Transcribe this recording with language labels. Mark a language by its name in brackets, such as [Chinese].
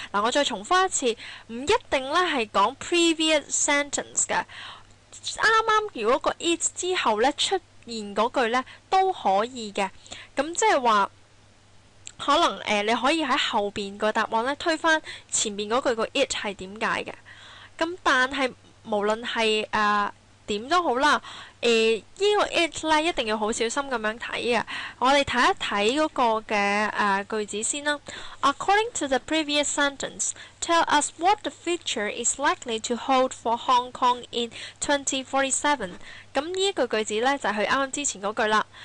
[Cantonese] 我再重複一次，不一定呢是說 [English] previous sentence [Cantonese] 的，啱啱如果个 it 之后咧出现嗰句咧都可以嘅，咁即系话可能你可以喺后边个答案咧推翻前边嗰句个 it 系点解嘅，咁但系無論是點都好啦，這個 it 咧一定要好小心咁樣睇嘅。我哋睇一睇嗰個嘅句子先啦。 [English] According to the previous sentence, tell us what the future is likely to hold for Hong Kong in 2047。 [Cantonese] 咁呢一句句子咧就係佢啱啱之前嗰句啦。